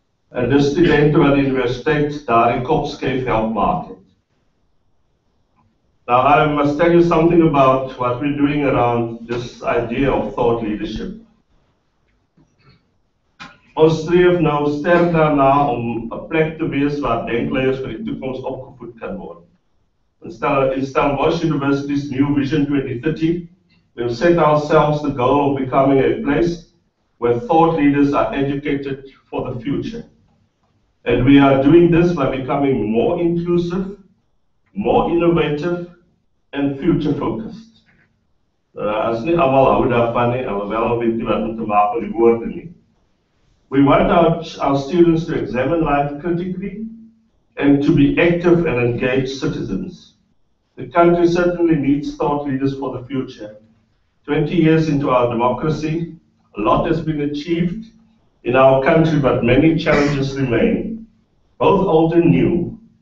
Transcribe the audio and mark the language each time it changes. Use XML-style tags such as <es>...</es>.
<af>En dis die denke wat die universiteit daar die kopskeef help maak het.</af> <en>Now I must tell you something about what we're doing around this idea of thought leadership.</en> <af>Ons streef nou sterk daarna om 'n plek te wees waar denkleiers vir die toekoms opgevoed kan word.</af> <en>In Stellenbosch University's new Vision 2030, we have set ourselves the goal of becoming a place where thought leaders are educated for the future. And we are doing this by becoming more inclusive, more innovative, and future focused.</en> <af>As nie almal hou daarvan nie, hulle wel weet nie wat om te maak met die woorde nie.</af> <en>We want our students to examine life critically and to be active and engaged citizens. The country certainly needs thought leaders for the future. 20 years into our democracy, a lot has been achieved in our country, but many challenges remain, both old and new.</en>